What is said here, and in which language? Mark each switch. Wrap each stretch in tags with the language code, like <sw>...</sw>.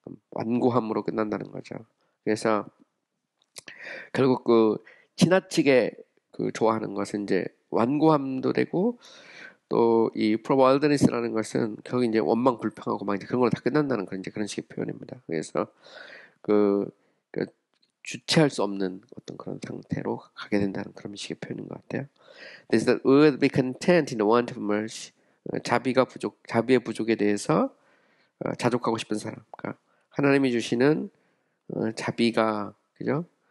<ko>완고함으로 끝난다는 거죠. 그래서 결국 그 지나치게 그 좋아하는 것은 이제 완고함도 되고 또 이 프로와일드니스라는 것은 결국 이제 원망 불평하고 막 이제 그런 걸 다 끝난다는 그런 이제 그런 식의 표현입니다. 그래서 그 주체할 수 없는 어떤 그런 상태로 가게 된다는 그런 식의 표현인 것 같아요.</ko> <en>This that we would be content in the want of mercy.</en> <ko>자비의 부족에 대해서 자족하고 싶은 사람. 그러니까 하나님이 주시는 자비가 그죠?</ko>